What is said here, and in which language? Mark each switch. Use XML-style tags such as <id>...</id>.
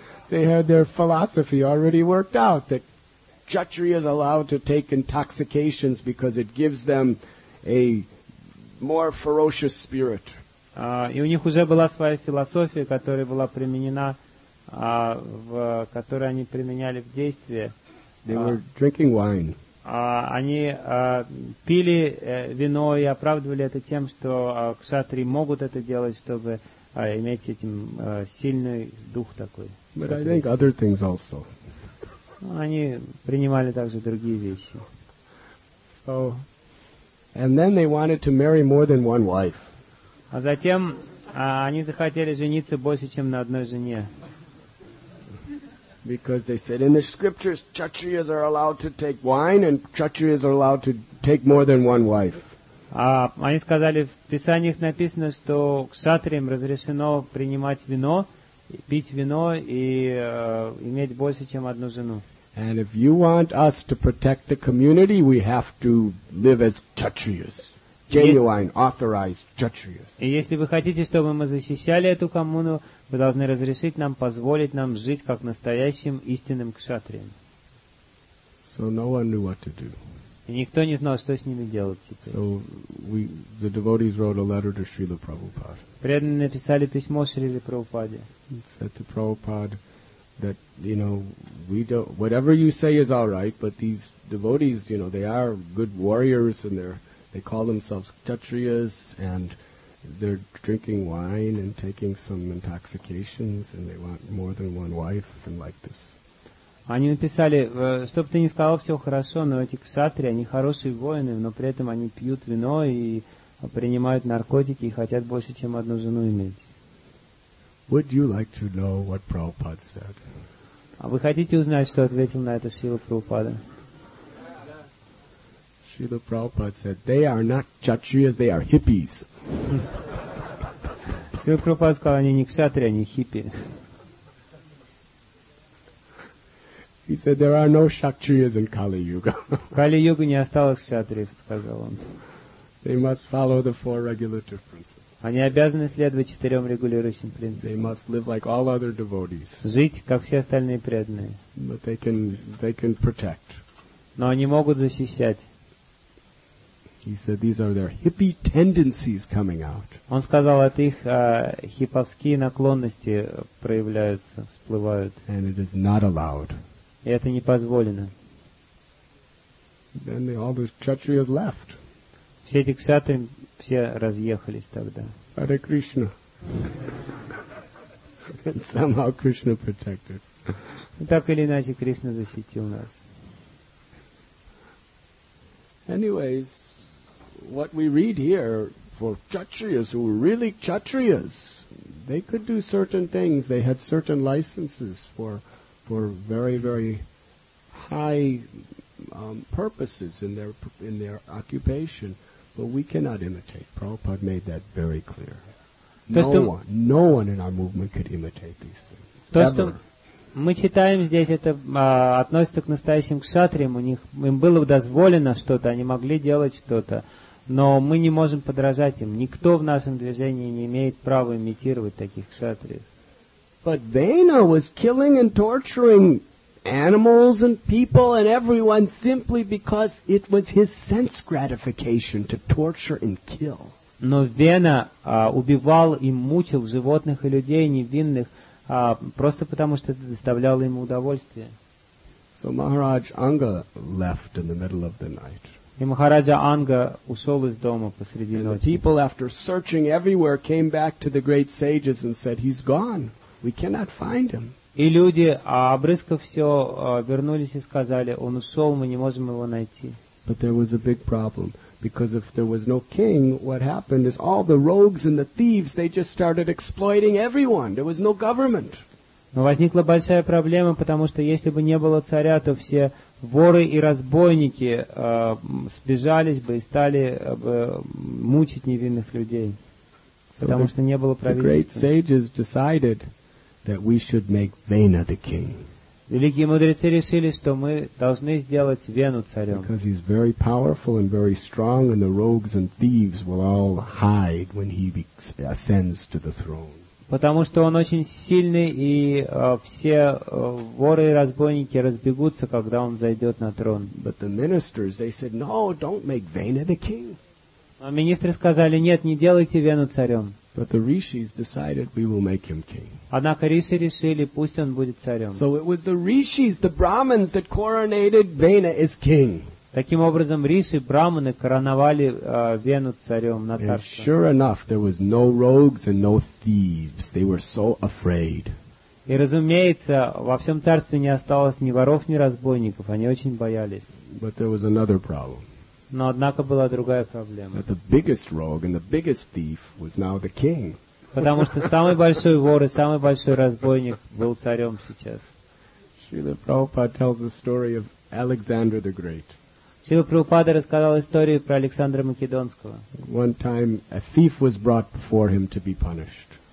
<en>They had their philosophy already worked out that kshatriya is allowed to take intoxications because it gives them a more ferocious spirit.</en> <ru>И у них уже была своя философия, которая была применена, которую они применяли в действии.</ru> <en>They were drinking wine.</en> <ru>Они пили вино и оправдывали это тем, что кшатри могут это делать, чтобы иметь этим сильный дух такой.</ru> <en>But I think other things also.</en> <ru>Они принимали также другие вещи.</ru> <en>So. And then they wanted to marry more than one wife.</en> <ru>А затем они захотели жениться больше, чем на одной жене.</ru> <en>Because they said in the scriptures, kshatriyas are allowed to take wine, and kshatriyas are allowed to take more than one wife.</en> <ru>Они сказали, в писаниях написано, что кшатриям разрешено принимать вино, пить вино и иметь больше, чем одну жену.</ru> <en>And if you want us to protect the community, we have to live as kshatriyas. Genuine, authorized kshatriyas.</en> <ru>И если вы хотите, чтобы мы защищали эту коммуну, вы должны разрешить нам, позволить нам жить как настоящим истинным кшатриям.</ru> <en>So no one knew what to do.</en> <ru>И никто не знал, что с ними делать теперь.</ru> <en>So the devotees wrote a letter to Srila Prabhupada.</en> <ru>Преданные написали письмо Шриле Прабхупаде.</ru> <en>Said to Prabhupada that, you know, we don't, whatever you say is all right, but these devotees, you know, they are good warriors and they call themselves kshatriyas and they're drinking wine and taking some intoxications and they want more than one wife and like this.</en> <ru>Они написали, что бы ты ни сказал, все хорошо, но эти ксатри, они хорошие воины, но при этом они пьют вино и принимают наркотики и хотят больше, чем одну жену иметь. А вы хотите узнать, что ответил на это Шрила Прабхупада?</ru> <en>Шрила Прабхупада said, they are not kshatriyas, they are hippies.</en> <ru>Шрила Прабхупада сказал, они не ксатри, они хиппи.</ru> <en>He said, there are no kshatriyas in Kali Yuga.</en> <ru>Kali Yuga не осталось кшатриев, сказал он.</ru> <en>They must follow the four regulative principles.</en> <ru>Они обязаны следовать четырем регулирующим принципам.</ru> <en>They must live like all other devotees.</en> <ru>Жить, как все остальные преданные.</ru> <en>But they can protect.</en> <ru>Но они могут защищать.</ru> <en>He said, these are their hippie tendencies coming out.</en> <ru>Он сказал, это их хипповские наклонности проявляются, всплывают.</ru> <en>And it is not allowed.</en> <ru>И это не позволено.</ru> <en>Then all the kshatriyas left.</en> <ru>Все эти кшатри все разъехались тогда.</ru> <en>Hare Krishna. And somehow Krishna protected.</en> <ru>И так или иначе Кришна защитил нас.</ru> <en>Anyways, what we read here for kshatriyas who were really kshatriyas, they could do certain things. They had certain licenses for very, very high purposes in their occupation, but we cannot imitate. Prabhupada made that very clear. No one in our movement could imitate these things.</en> <ru>То, что мы читаем здесь, это относится к настоящим кшатриям. У них им было дозволено что-то, они могли делать что-то, но мы не можем подражать им. Никто в нашем движении не имеет права имитировать таких кшатриев.</ru> <en>But Vena was killing and torturing animals and people and everyone simply because it was his sense gratification to torture and kill.</en> <ru>Но Вена убивал и мучил животных и людей невинных просто потому, что это доставляло ему удовольствие.</ru> <en>So Maharaj Anga left in the middle of the night.</en> <ru>И Махараджа Анга ушел из дома посреди ночи.</ru> <en>And the people, after searching everywhere, came back to the great sages and said, "He's gone. We cannot find him."</en> <ru>И люди, обрыскав все, вернулись и сказали: "Он ушел, мы не можем его найти."</ru> <en>But there was a big problem, because if there was no king, what happened is all the rogues and the thieves, they just started exploiting everyone. There was no government.</en> <ru>Но возникла большая проблема, потому что если бы не было царя, то все воры и разбойники сбежались бы и стали бы мучить невинных людей, потому что не было правительства.</ru> <en>The great sages decided that we should make Vena the king.</en> <ru>Великие мудрецы решили, что мы должны сделать Вену царем.</ru> <en>Because he's very powerful and very strong, and the rogues and thieves will all hide when he ascends to the throne.</en> <ru>Потому что он очень сильный, и все воры и разбойники разбегутся, когда он зайдет на трон.</ru> <en>But the ministers, they said, no, don't make Vena the king.</en> <ru>Но министры сказали, нет, не делайте Вену царем.</ru> <en>But the rishis decided we will make him king.</en> <ru>Однако риши решили, пусть он будет царем.</ru> <en>So it was the rishis, the brahmins, that coronated Vena as king.</en> <ru>Таким образом, риши, брахманы короновали Вену царем на царство.</ru> <en>And sure enough, there was no rogues and no thieves. They were so afraid.</en> <ru>И разумеется, во всем царстве не осталось ни воров, ни разбойников. Они очень боялись.</ru> <en>But there was another problem.</en> <ru>Но однако была другая проблема.</ru> <en>The biggest rogue and the biggest thief was now the king.</en> <ru>Потому что самый большой вор и самый большой разбойник был царем сейчас.</ru> <en>Шрила Прабхупада tells the story of Alexander the Great.</en> <ru>Шрила Прабхупада рассказал историю про Александра Македонского.</ru> <en>One time a thief was brought before him to be punished.</en>